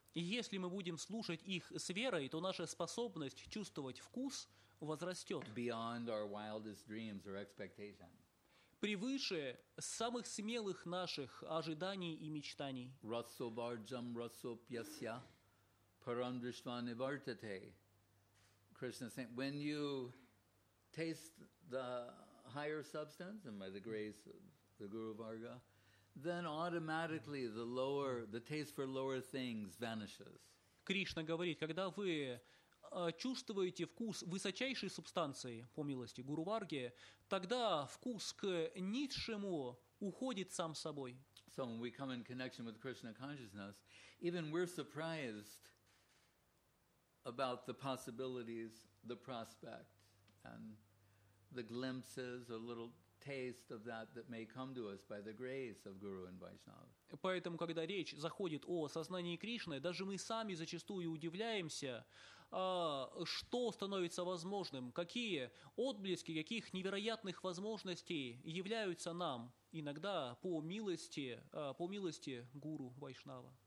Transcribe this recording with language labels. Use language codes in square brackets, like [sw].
[ru] И если мы будем слушать их с верой, то наша способность чувствовать вкус возрастет. [en] Beyond our wildest dreams or expectations. [ru] Превыше самых смелых наших ожиданий и мечтаний. [sa] Расо варджам расо пьясья парандриштване вартате. [en] Krishna is saying, when you taste the higher substance, and by the grace of the Guru Varga, then automatically the taste for lower things vanishes. [ru] Кришна говорит, когда вы чувствуете вкус высочайшей субстанции, по милости Гуру Варги, тогда вкус к низшему уходит сам собой. [en] So when we come in connection with Krishna consciousness, even we're surprised about the possibilities, the prospect, and the glimpses, a little taste of that that may come to us by the grace of Guru and Vaishnava. [ru] Поэтому, когда речь заходит о сознании Кришны, даже мы сами зачастую удивляемся, что становится возможным, какие отблески, каких невероятных возможностей являются нам иногда по милости Гуру Вайшнава.